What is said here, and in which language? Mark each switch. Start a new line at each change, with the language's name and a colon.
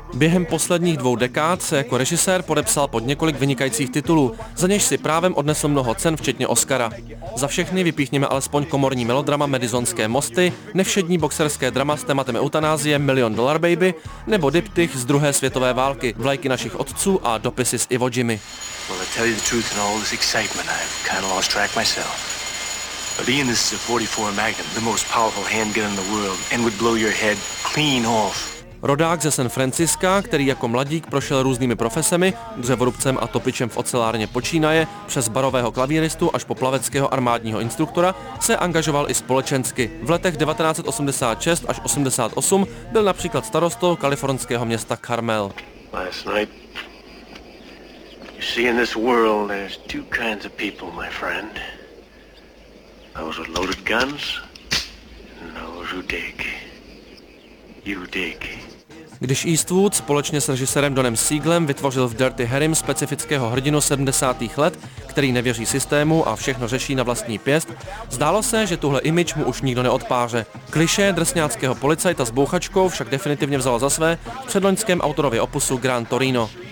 Czech: Během posledních dvou dekád se jako režisér podepsal pod několik vynikajících titulů, za něž si právem odnesl mnoho cen, včetně Oscara. Za všechny vypíchněme alespoň komorní melodrama Madisonské mosty, nevšední boxerské drama s tématem eutanázie Million Dollar Baby nebo diptych z druhé světové války Vlajky našich otců a Dopisy s Iwo Jimmy.
English: Well, I tell you the truth, in all this excitement, I've kind of lost track myself. But Ian, this is a 44 Magnum, the most powerful handgun in the world, and would blow your head clean off.
Czech: Rodák ze San Francisca, který jako mladík prošel různými profesemi, dřevorubcem a topičem v ocelárně počínaje, přes barového klavíristu až po plaveckého armádního instruktora, se angažoval i společensky. V letech 1986 až 88 byl například starostou kalifornského města Carmel.
English: Last night. You see, in this world, there's two kinds of people, my friend. Those with loaded guns, and those who dig. You dig.
Czech: Když Eastwood společně s režisérem Donem Siegelem vytvořil v Dirty Harrym specifického hrdinu 70. let, který nevěří systému a všechno řeší na vlastní pěst, zdálo se, že tuhle image mu už nikdo neodpáře. Klišé drsňáckého policajta s bouchačkou však definitivně vzalo za své v předloňském autorově opusu Gran Torino.